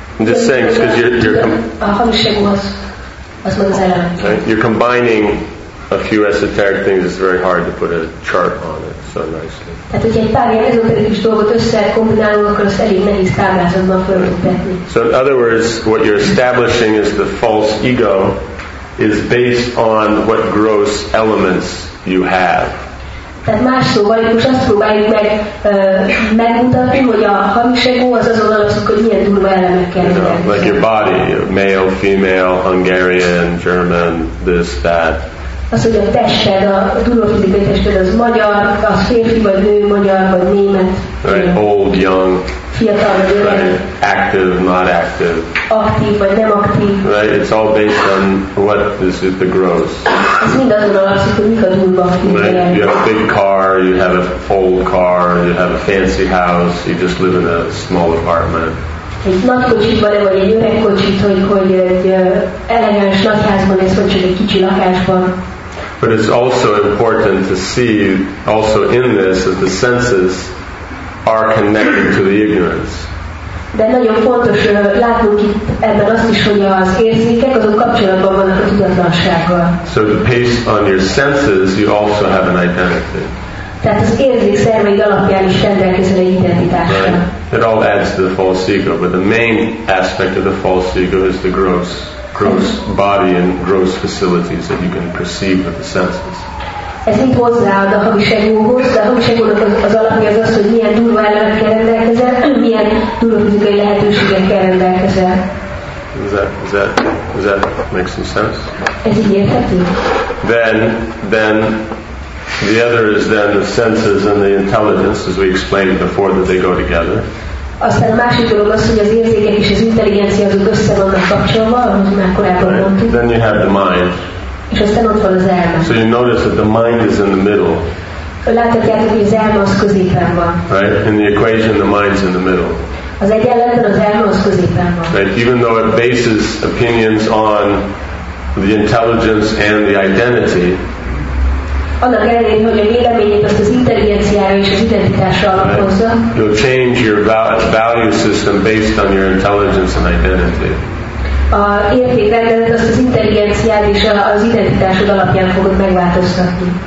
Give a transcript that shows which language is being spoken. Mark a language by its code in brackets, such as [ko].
[en] I'm just saying, because you're combining a few esoteric things, it's very hard to put a chart on it so nicely. So in other words, what you're establishing is the false ego is based on what gross elements you have. [hu] Tehát más szóval, most azt próbáljuk meg megmutatni, hogy a hamis ego az alapszik, hogy milyen durva elemekkel. [en] You know, like your body, male, female, Hungarian, German, this, that. [hu] Az, hogy a tested, a durva fizikai tested az magyar, az férfi vagy nő, magyar vagy német. [en] Right, old, young. [hu] Fiatal, [en] right. Active, not active. [hu] Aktív vagy nem aktív. [en] Right, it's all based on what is it the gross. [hu] Ez mind azon alapszik, hogy mik a durva fizikai. [en] Right, you have a big car, you have an old car, you have a fancy house, you just live in a small apartment. [hu] Egy nagy kocsit van-e, vagy egy öreg kocsit, hogy egy elegáns lakházban, ez vagy csak egy kicsi lakásban. [en] But it's also important to see, also in this, that the senses are connected to the ignorance. [hu] De nagyon fontos látunk itt ebben azt is, hogy az érzékek azok kapcsolatban vannak a tudatlansággal. [en] So based on your senses, you also have an identity. [hu] Tehát az érzék szerveid alapján is rendelkezel egy identitással. [en] Right. It all adds to the false ego, but the main aspect of the false ego is the gross body and gross facilities that you can perceive with the senses. [hu] Ez mind hozzáad a hamis egóhoz, de a hamis egónak az alapja az az, hogy milyen durva elemekkel rendelkezel, milyen durva fizikai lehetőségekkel rendelkezel. [en] Does that make some sense? [hu] Ez így érthető? [en] Then the other is then the senses and the intelligence, as we explained before, that they go together. [hu] Aztán a másik dolog az, hogy az érzékek és az intelligencia azok össze vannak kapcsolva, amit már korábban mondtuk. [en] Then you have the mind. [hu] És aztán ott van az elme. [en] So you notice that the mind is in the middle. [hu] Láthatjátok, hogy az elme az középen van. [en] Right? In the equation, the mind's in the middle. [hu] Az egyenletben az elme az középen van. [en] Right? Even though it bases opinions on the intelligence and the identity. [hu] Annak ellenére, hogy a véleményét azt az intelligenciára és az identitásra alapozza. [en] Right? You'll change your value system based on your intelligence and identity. [hu] A értékrendet azt az intelligenciád és az identitásod alapján fogod megváltoztatni.